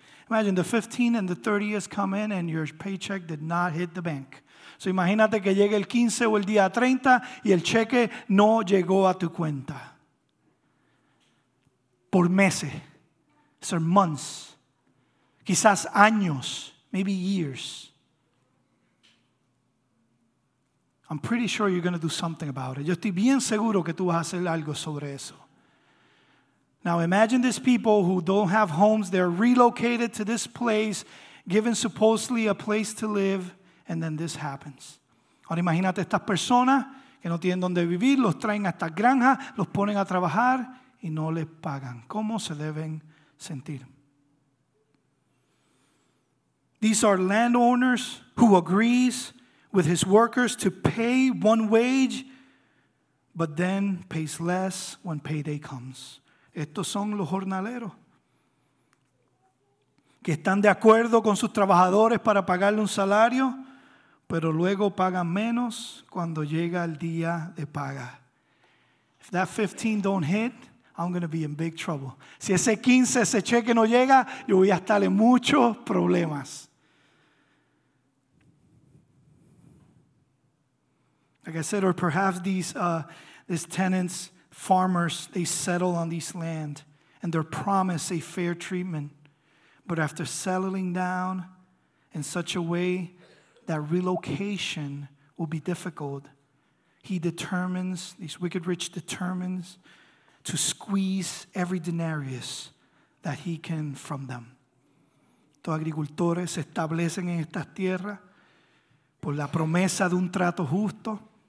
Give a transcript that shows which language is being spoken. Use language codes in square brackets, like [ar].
[en] Imagine the 15 and the 30th come in and your paycheck did not hit the bank. [es] So imagínate que llegue el 15 o el día 30 y el cheque no llegó a tu cuenta. Por meses. [en] Sir, months. [es] Quizás años. [en] Maybe years. I'm pretty sure you're going to do something about it. [es] Yo estoy bien seguro que tú vas a hacer algo sobre eso. [en] Now imagine these people who don't have homes. They're relocated to this place, given supposedly a place to live, and then this happens. [es] Ahora imagínate estas personas que no tienen donde vivir, los traen a estas granjas, los ponen a trabajar y no les pagan. ¿Cómo se deben sentir? [en] These are landowners who agrees with his workers to pay one wage, but then pays less when payday comes. [es] Estos son los jornaleros que están de acuerdo con sus trabajadores para pagarle un salario, pero luego pagan menos cuando llega el día de paga. [en] If that 15 don't hit, I'm going to be in big trouble. [es] Si ese 15, ese cheque no llega, yo voy a estar en muchos problemas. [en] Like I said, or perhaps these tenants, farmers, they settle on this land and they're promised a fair treatment. But after settling down in such a way that relocation will be difficult, this wicked rich determines to squeeze every denarius that he can from them. [es] Estos agricultores se establecen en estas tierras por la promesa de un trato justo.